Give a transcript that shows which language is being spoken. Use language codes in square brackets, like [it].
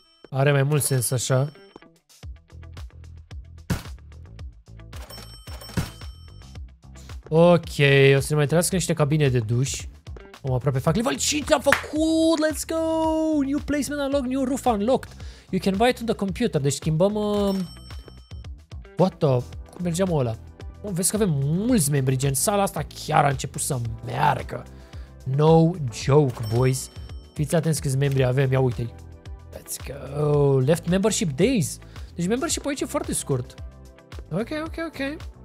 [ro] Are mai mult sens așa. Ok, o să ne mai trească niște cabine de duș. Am aproape fac level 5, am făcut! [en] Let's go! New placement unlocked, new roof unlocked. You can buy it on the computer. [ro] Deci schimbăm... [en] What the... [ro] Cum mergeam ăla? Oh, vezi că avem mulți membri, gen sala asta chiar a început să meargă. [en] No joke, boys. [ro] Fiți atenți câți membri avem, ia uite-i. [en] Let's go! Left membership days. [ro] Deci membership aici e foarte scurt. Ok, ok, ok.